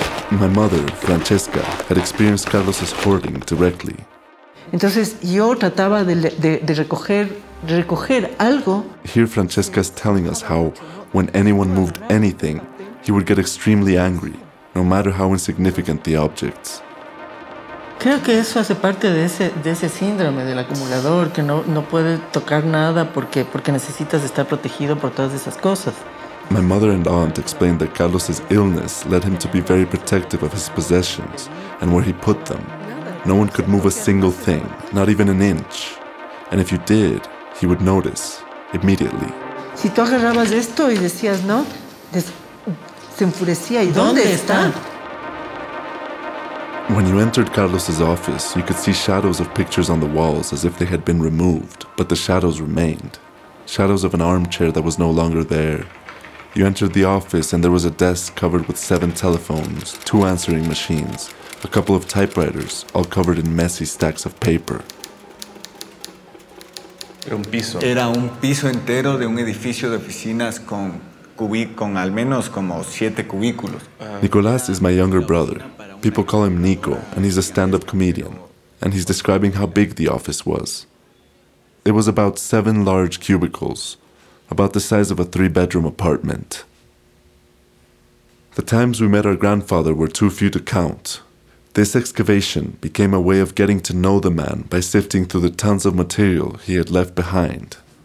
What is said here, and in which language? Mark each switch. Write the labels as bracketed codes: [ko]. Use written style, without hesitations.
[en] My mother, Francesca, had experienced Carlos's hoarding directly. [es] Entonces yo trataba de recoger algo. [en] Here Francesca is telling us how, when anyone moved anything, he would get extremely angry, no matter how insignificant the objects. [es] Creo que eso hace parte de ese síndrome del acumulador, que no puede tocar nada porque necesitas estar protegido por todas esas cosas. [en] My mother and aunt explained that Carlos's illness led him to be very protective of his possessions and where he put them. No one could move a single thing, not even an inch. And if you did, he would notice immediately. [es] Si tú agarrabas esto y decías no, se enfurecía. ¿Y dónde está? [en] When you entered Carlos's office, you could see shadows of pictures on the walls as if they had been removed, but the shadows remained. Shadows of an armchair that was no longer there. You entered the office and there was a desk covered with 7 telephones, 2 answering machines, a couple of typewriters, all covered in messy stacks of paper. [es] Era un piso. Era un piso entero de un edificio de oficinas con al menos como 7 cubículos. [en] Nicolás is my younger brother. People call him Nico, and he's a stand-up comedian. And he's describing how big the office was. It was about 7 large cubicles, about the size of a 3-bedroom apartment. The times we met our grandfather were too few to count. This excavation became a way of getting to know the man by sifting through the tons of material he had left behind.